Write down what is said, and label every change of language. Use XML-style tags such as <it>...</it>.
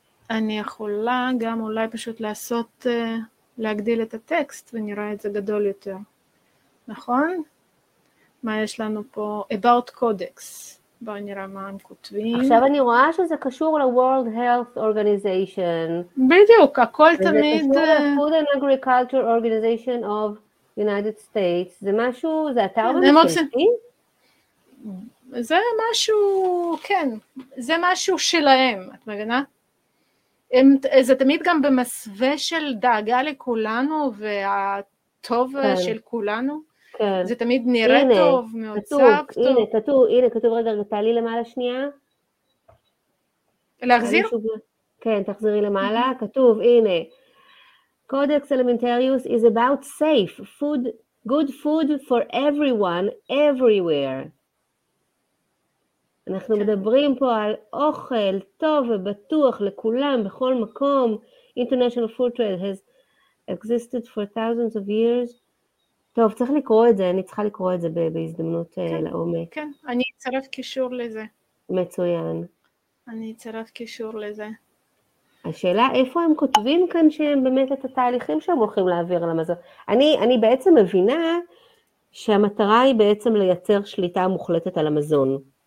<he>אני יכולה גם אולי פשוט לעשות, להגדיל את הטקסט ונראה את זה גדול יותר. נכון? מה יש לנו פה?</he> <en>About Codex.</en> <he>בואו נראה מה הם כותבים. עכשיו אני רואה שזה קשור ל-World Health Organization. בדיוק, הכל תמיד... זה קשור ל-Food and Agriculture Organization of United States. זה משהו, זה אתר במקשתי? זה משהו, כן, זה משהו שלהם, את מבינה? הם, זה תמיד גם במסווה של דאגה לכולנו והטוב כן. של כולנו. כן. זה תמיד נראה הנה, טוב, מעוצב טוב. הנה, כתוב, הנה, כתוב רגע, תעלי למעלה שנייה. להחזיר? כן, תחזרי למעלה, כתוב, הנה.</he> <en>Codex Alimentarius is about safe food, good food for everyone, everywhere.</en> <he>אנחנו מדברים פה על אוכל טוב ובטוח לכולם, בכל מקום.</he> <en>International Food Trade has existed for thousands of years.</en> <he>טוב, צריך לקרוא את זה, אני צריכה לקרוא את זה בהזדמנות לעומק. כן, אני אצרף קישור לזה. מצוין. אני אצרף קישור לזה. השאלה, איפה הם כותבים כאן שהם באמת את התהליכים שהם הולכים להעביר על המזון? אני בעצם מבינה שהמטרה היא בעצם לייצר שליטה מוחלטת על המזון.</he>